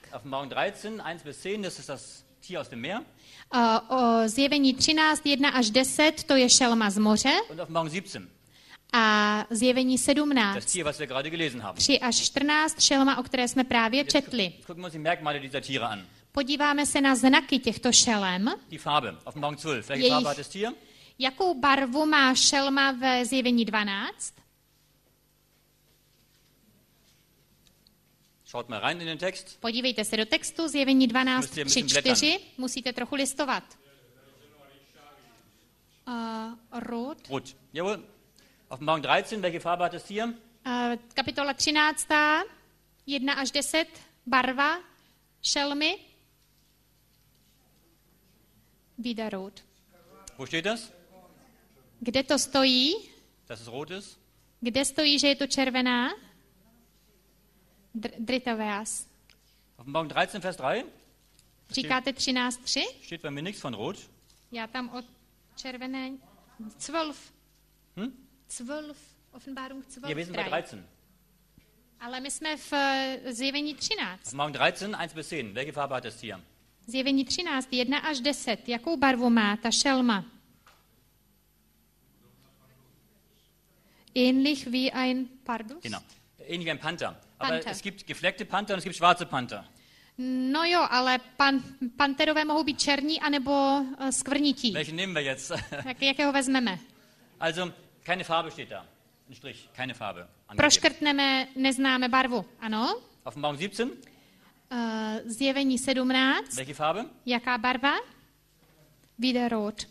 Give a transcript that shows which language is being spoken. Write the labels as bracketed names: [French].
[German] Offenbarung 13, 1 bis 10, das ist das Tier aus dem Meer. [Czech] Zjevení 13, 1 až 10, to je šelma z moře. [German] Und Offenbarung 17. [Czech] A zjevení 17. [German] Das Tier, was wir gerade gelesen haben. [Czech] 3 až 14, šelma, o které jsme právě četli. [German] Gucken wir uns die Merkmale dieser Tiere an. [Czech] Podíváme se na znaky těchto šelem. [German] Die Farbe, Offenbarung 12. Welche Farbe hat das Tier? [Czech] Jakou barvu má šelma ve zjevení 12? [German] Schaut mal rein in den Text. [Czech] Podívejte se do textu, zjevení 12, 3, 4. Musíte trochu listovat. [German] Rot. Rot, jawohl. Offenbarung 13, welche Farbe hat das Tier? [Czech] Kapitola 13, 1 až 10, barva, šelmy. [German] Wieder rot. Wo steht das? [Czech] Kde to stojí? [German] Dass es rot ist. [Czech] Kde stojí, že je to červená? [German] Dritter Vers. Offenbarung 13, Vers 3. [Czech] Říkáte 13, 3? [German] Steht bei mir nichts von rot. [Czech] Ja, tam červené 12. Hm? 12. Offenbarung 12. [German] Ja, wir sind bei 13. [Czech] Ale my jsme v zjevení 13. [German] Offenbarung 13, 1 bis 10. Welche Farbe hat das Tier? [Czech] Zjevení 13, 1 až 10. Jakou barvu má ta šelma? [German] Ähnlich wie ein Pardus? Genau. Ähnlich wie ein Panther. Aber Panther. Es gibt gefleckte Panther und es gibt schwarze Panther. [Czech] No jo, ale panterové mohou být černí anebo skvrnití. [German] Welchen nehmen wir jetzt? [Czech] Jakého vezmeme? [German] Also, keine Farbe steht da. Ein Strich, keine Farbe. [Czech] Proškrtneme, neznáme barvu. Ano? [German] Offenbarung 17. [Czech] Zjevení 17. [German] Welche Farbe? [Czech] Jaká barva? [German] Wieder rot.